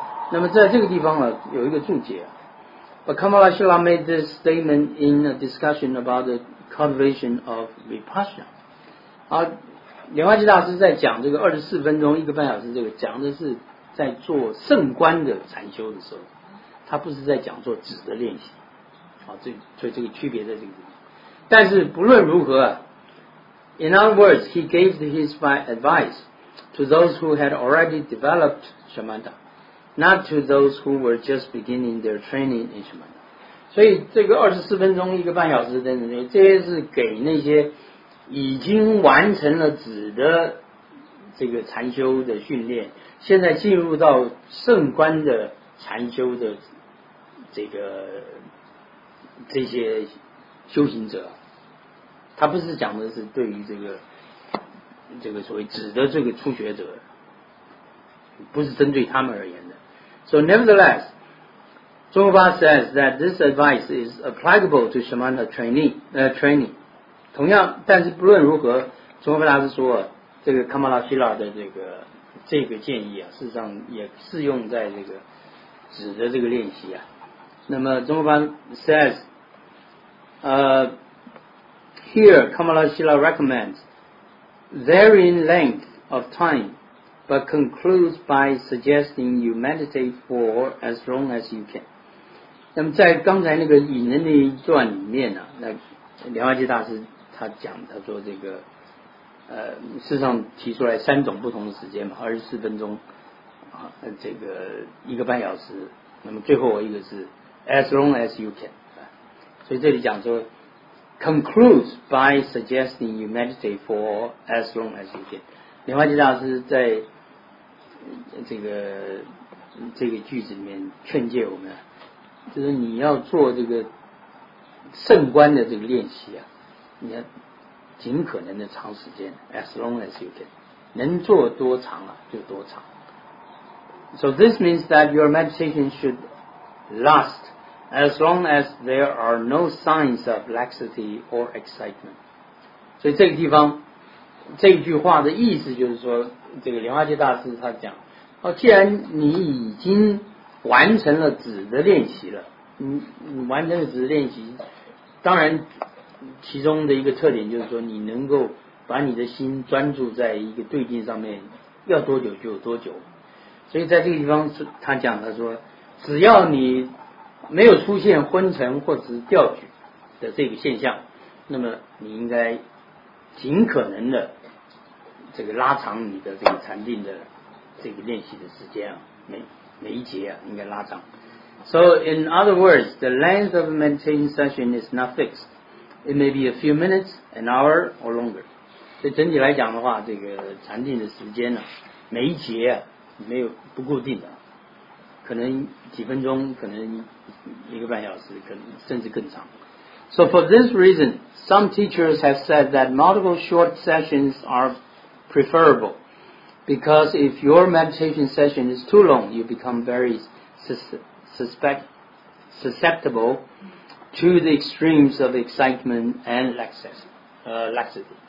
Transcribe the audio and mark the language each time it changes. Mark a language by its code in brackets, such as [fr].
[zh] 那么在这个地方呢、啊、有一个注解啊， [en] But Kamala Shila made this statement in a discussion about the cultivation of Vipassana. [zh] 好，莲花季大师在讲这个24分钟一个半小时，这个讲的是在做圣观的禅修的时候，他不是在讲做止的练习。好，所以这个区别在这个地方。但是不论如何 [en] ,In other words, he gave his advice to those who had already developed Shamatha. Not to those who were just beginning their training in Shamatha. [zh] 所以这个24分钟一个半小时等等，这些是给那些已经完成了止的这个禅修的训练，现在进入到圣观的禅修的这个这些修行者，他不是讲的是对于这个所谓止的这个初学者，不是针对他们而言的。 [en] So nevertheless, Zhong Ba says that this advice is applicable to Shamatha training. [zh] 同样，但是不论如何，宗喀巴大师说，这个 Kamala Shila 的这个建议啊，事实上也适用在这个止的这个练习啊。 [en] 那么宗喀巴 says, here Kamala Shila recommends varying length of time. But concludes by suggesting you meditate for as long as you can. [zh] 那么在刚才那个引的那一段里面呢、啊，那莲花界大师他讲，他说这个，事实上提出来三种不同的时间嘛，24分钟、啊，这个一个半小时，那么最后一个是 [en] as long as you can、 [zh] 啊。所以这里讲说 [en] concludes by suggesting you meditate for as long as you can。 [zh] 莲花界大师在这个句子里面劝诫我们，就是你要做这个圣观的这个练习啊，你要尽可能的长时间 ， [en] as long as you can， [zh] 能做多长啊就多长。 [en] So this means that your meditation should last as long as there are no signs of laxity or excitement。 [zh] 所以这个地方。这句话的意思就是说，这个莲花界大师他讲，哦，既然你已经完成了止的练习了，你完成了止的练习，当然其中的一个特点就是说，你能够把你的心专注在一个对境上面，要多久就有多久。所以在这个地方，他讲他说，只要你没有出现昏沉或者是掉举的这个现象，那么你应该。尽可能的这个拉长你的这个禅定的这个练习的时间啊，每一节啊应该拉长。 [en] So in other words, the length of a meditation session is not fixed. It may be a few minutes, an hour or longer. [zh] 所以整体来讲的话，这个禅定的时间呢、啊，每一节啊没有不固定的，可能几分钟，可能一个半小时，可能甚至更长。 [en] So for this reason, some teachers have said that multiple short sessions are preferable because if your meditation session is too long, you become very susceptible to the extremes of excitement and laxity.